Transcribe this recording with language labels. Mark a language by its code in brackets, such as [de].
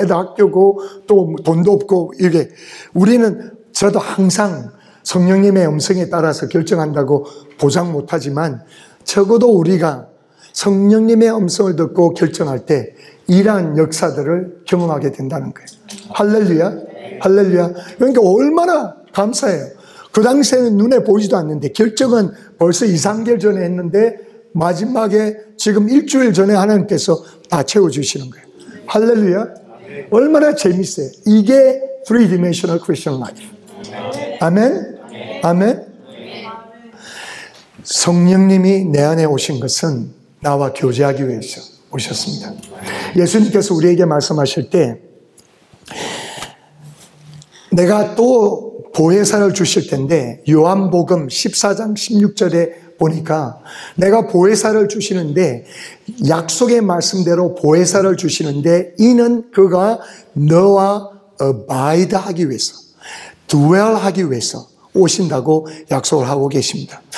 [ko] 애들 학교고 또 돈도 없고 이게 우리는 저도 항상 성령님의 음성에 따라서 결정한다고 보장 못하지만 적어도 우리가 성령님의 음성을 듣고 결정할 때 이러한 역사들을 경험하게 된다는 거예요. 할렐루야. 할렐루야. 그러니까 얼마나 감사해요. 그 당시에는 눈에 보이지도 않는데 결정은 벌써 2, 3개월 전에 했는데 마지막에 지금 일주일 전에 하나님께서 다 채워주시는 거예요. 할렐루야. 얼마나 재밌어요. 이게 [en] 3D Christian Life. [ko] 아멘. 아멘. 성령님이 내 안에 오신 것은 나와 교제하기 위해서 오셨습니다. 예수님께서 우리에게 말씀하실 때 내가 또 보혜사를 주실 텐데 요한복음 14장 16절에 보니까 내가 보혜사를 주시는데 약속의 말씀대로 보혜사를 주시는데 이는 그가 너와 abide 하기 위해서 dwell 하기 위해서 오신다고 약속을 하고 계십니다.